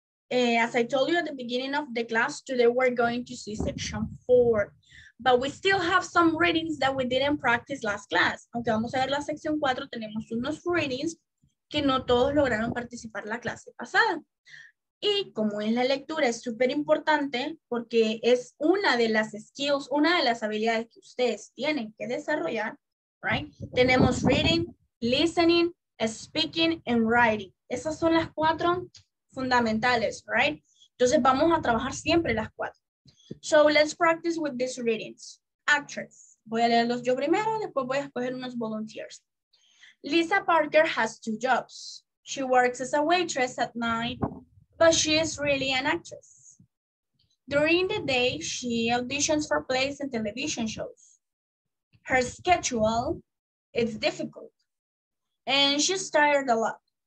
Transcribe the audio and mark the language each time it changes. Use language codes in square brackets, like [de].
[en] As I told you at the beginning of the class, today we're going to see section four. But we still have some readings that we didn't practice last class. [es] Aunque vamos a ver la sección cuatro, tenemos unos readings que no todos lograron participar la clase pasada. Y como es la lectura, es súper importante porque es una de las skills, una de las habilidades que ustedes tienen que desarrollar, right? Tenemos [en] reading, listening, speaking, and writing. [es] Esas son las cuatro fundamentales, right? Entonces vamos a trabajar siempre las cuatro. [en] So let's practice with these readings. Actress. [es] Voy a leerlos yo primero, después voy a escoger unos volunteers. [en] Lisa Parker has two jobs. She works as a waitress at night, but she is really an actress. During the day, she auditions for plays and television shows. Her schedule is difficult, and she's tired a lot.